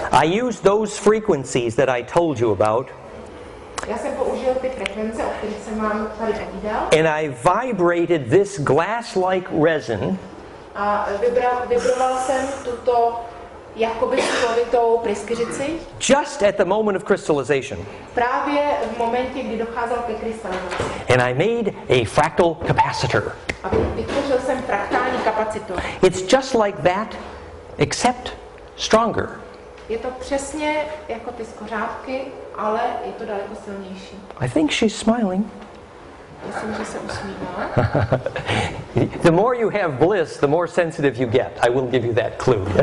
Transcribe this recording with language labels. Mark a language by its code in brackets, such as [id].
[en] I use those frequencies that I told you about. [cs] Já jsem použil ty frekvence, o kterých jsem vám tady povídal. [en] And I vibrated this glass-like resin. [cs] A vibroval jsem tuto jakoby sklovitou pryskyřici. [en] Just at the moment of crystallization. [cs] Právě v momentě, kdy docházel ke krystalizaci. [en] And I made a fractal capacitor. [cs] A vytvořil jsem fraktální kapacitor. [en] It's just like that, except stronger. [cs] Je to přesně jako ty skořápky, ale je to daleko silnější. [en] I think she's smiling. [cs] Myslím, že se usmívá. [en] The more you have bliss, the more sensitive you get. I will give you that clue.